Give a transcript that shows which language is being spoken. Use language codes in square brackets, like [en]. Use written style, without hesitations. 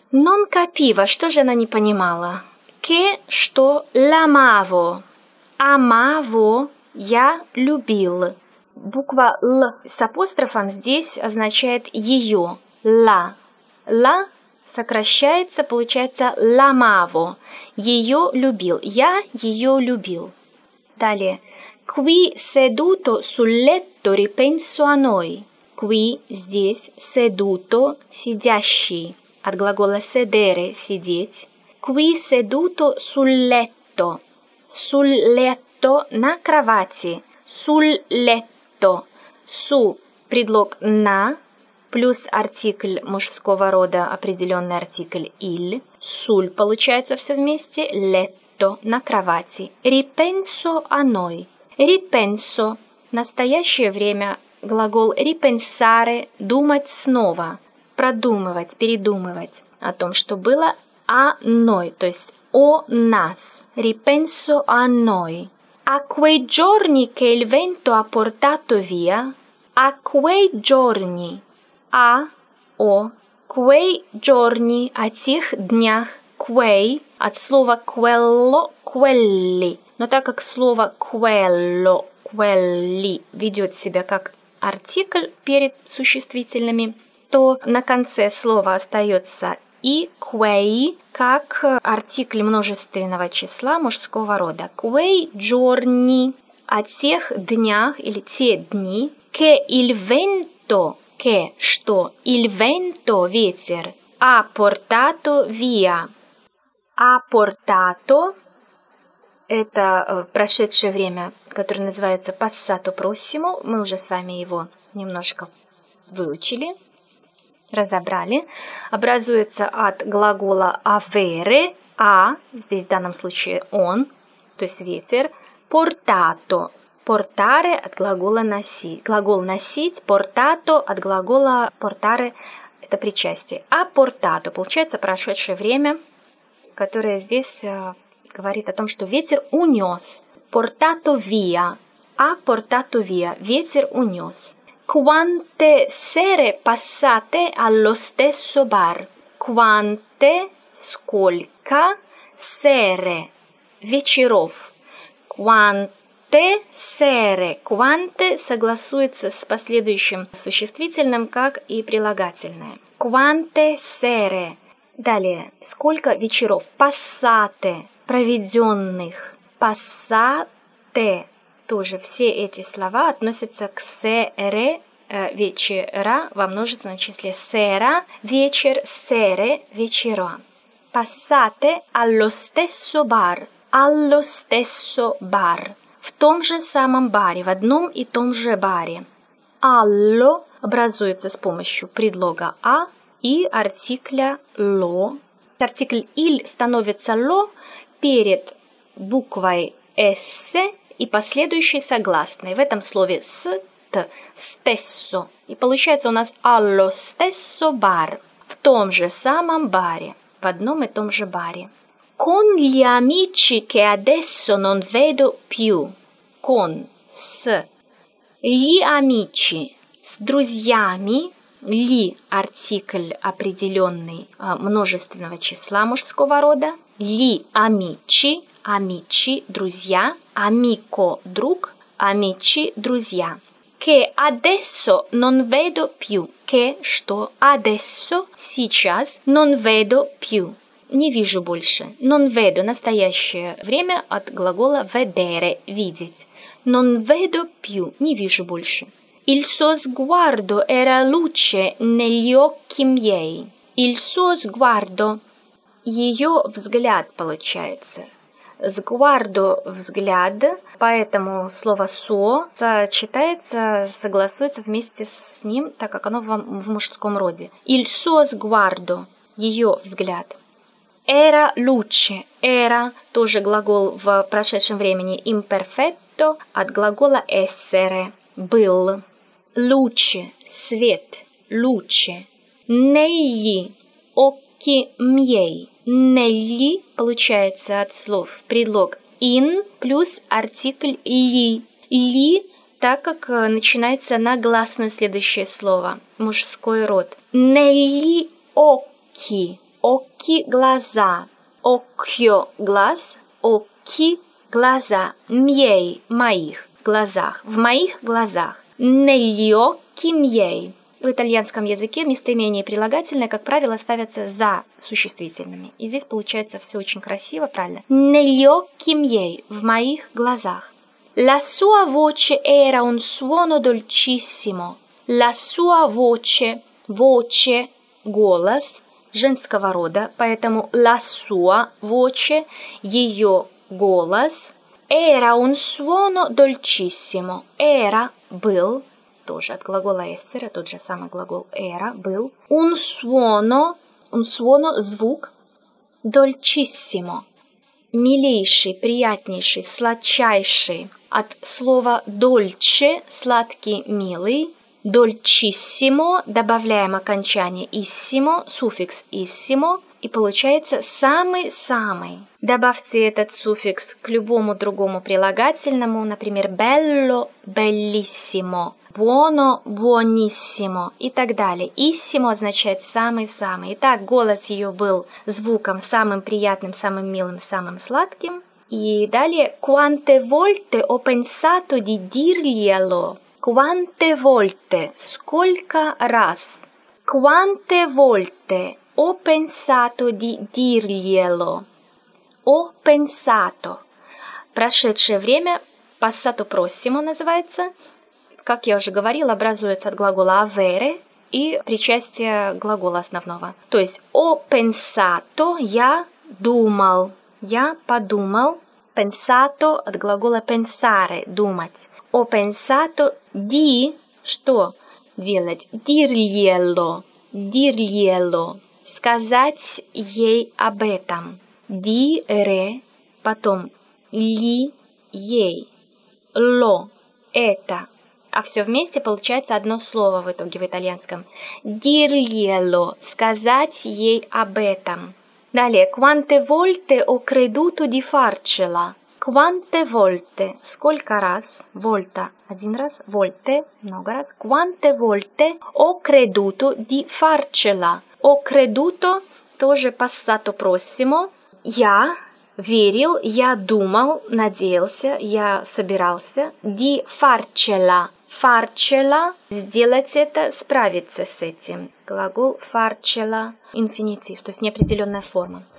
[it] Non capiva, [ru] что же она не понимала? Che, что, [it] l'amavo, amavo, [ru] я любил. Буква л с апострофом здесь означает ее. [it] La. [ru] La сокращается, получается l'amavo. Ее любил. Я ее любил. Далее. [it] Qui seduto sul letto ripenso a noi. [ru] Qui здесь seduto сидящий. От глагола sedere сидеть. [it] Qui seduto sul letto. Sul letto [ru] на кровати. [it] Sul letto. [ru] Su предлог на. Плюс артикль мужского рода, определенный артикль «иль». «Суль» получается все вместе. [it] «Летто» – [ru] на кровати. [it] «Ripenso a noi». [ru] «Ripenso» – настоящее время. Глагол «ripensare» – думать снова. Продумывать, передумывать о том, что было. [it] «A noi», [ru] то есть «о нас». [it] «Ripenso a noi». «A quei giorni che il vento ha portato via». «A quei giorni». [ru] А, о, [it] quei giorni, [ru] о тех днях, quei, от слова quello, quelli. Но так как слово quello, quelli ведет себя как артикль перед существительными, то на конце слова остается и quei, как артикль множественного числа мужского рода. [it] Quei giorni, [ru] о тех днях или те дни, [it] che il vento, che, что, il vento, ветер, ha portato via, ha portato, [ru] Это прошедшее время, которое называется «Passato prossimo». Мы уже с вами его немножко выучили, разобрали. Образуется от глагола «avere», [it] «а», [ru] здесь в данном случае «он», то есть «ветер», «portato». «Portare» от глагола «носить». Глагол «носить», «portato» от глагола «portare» – это причастие. [it] «А portato» [ru] – получается прошедшее время, которое здесь говорит о том, что ветер унес. [it] Portato via. A portato via. [ru] Ветер унес. [it] Quante sere passate allo stesso bar? Quante, [ru] сколько, sere, вечеров. [it] Quante sere. [ru] Quante согласуется с последующим существительным, как и прилагательное. [it] Quante sere. [ru] Далее. Сколько вечеров? [it] Passate. Проведенных. Passate. [ru] Тоже все эти слова относятся к sere, вечера, во множественном числе sera, вечер, sere, вечера. [it] Passate allo stesso bar. Allo stesso bar. [ru] В том же самом баре, в одном и том же баре. Allo образуется с помощью предлога a и артикля lo. Артикль il становится lo перед буквой «с» и последующей согласной. В этом слове «st», «stesso». И получается у нас [it] «allo stesso bar» [ru] – в том же самом баре, в одном и том же баре. [it] «Con gli amici che adesso non vedo più» – «con» – [ru] «с». [it] «Gli amici» [ru] – «с друзьями». «Li» – артикль определенный множественного числа мужского рода. [it] «Li amici» – «amici» – «друзья». [ru] «Amico» – «друг». «Amici» – «друзья». [it] «Che adesso non vedo più» – «che» – [ru] «что» [it] – «adesso» – [ru] «сейчас» [it] – «non vedo più» – [ru] «не вижу больше». «Non vedo» – «настоящее время» от глагола «vedere» – «видеть». [it] «Non vedo più» [ru] – «не вижу больше». [it] Il suo sguardo era luce negli occhi miei. Il suo sguardo. [ru] Ее взгляд получается. Sguardo – взгляд, поэтому слово suo сочетается, согласуется вместе с ним, так как оно в мужском роде. [it] Il suo sguardo. [ru] Ее взгляд. [it] Era luce. [ru] Era – тоже глагол в прошедшем времени. Imperfetto – от глагола essere. Был. [it] Luce, свет, luce. Negli occhi miei. [ru] Negli получается от слов предлог in плюс артикль li. Li, так как начинается на гласную следующее слово, мужской род. [it] Negli occhi. Occhi глаза. [ru] Occhio глаз. Occhi глаза. Miei, моих глазах. В моих глазах. [it] Negli occhi miei. [ru] В итальянском языке местоимение прилагательное, как правило, ставятся за существительными. И здесь получается все очень красиво, правильно? [it] Negli occhi miei. [ru] В моих глазах. [it] La sua voce era un suono dolcissimo. La sua voce. Voce. [ru] Голос. Женского рода. Поэтому [it] la sua voce. [ru] Ее голос. [it] Era un suono dolcissimo. Era. [ru] Был, тоже от глагола essere, тот же самый глагол era, был. [it] Un suono, звук. [ru] Dolcissimo, милейший, приятнейший, сладчайший. От слова dolce, сладкий, милый. Dolcissimo, добавляем окончание issimo, суффикс issimo. И получается самый-самый. Добавьте этот суффикс к любому другому прилагательному, например, [it] bello – bellissimo, buono – buonissimo [ru] и так далее. Issimo означает самый-самый. Итак, голос ее был звуком самым приятным, самым милым, самым сладким. И далее, [it] quante volte ho pensato di dirglielo? Quante volte [ru] – сколько раз? [it] Quante volte – «Ho pensato di dirglielo». «Ho pensato». [ru] Прошедшее время, «passato prossimo» называется. Как я уже говорила, образуется от глагола «avere» и причастие глагола основного. То есть [it] «ho pensato» [ru] – «я думал». «Я подумал». pensato от глагола pensare – думать. [it] Ho pensato di – [ru] что делать? Dirglielo – dirglielo – сказать ей об этом. Dire – потом li – ей. Lo – это. А все вместе получается одно слово в итоге в итальянском. Dirglielo – сказать ей об этом. Далее, [it] quante volte ho creduto di farcela? Quante volte? [ru] Сколько раз? Volta – один раз. Volte – много раз. [it] Quante volte ho creduto di farcela? Ho creduto [ru] – тоже passato prossimo. Я верил, я думал, надеялся, я собирался. [it] Di farcela [ru] – farcela – сделать это, справиться с этим. Глагол farcela – инфинитив, то есть неопределенная форма.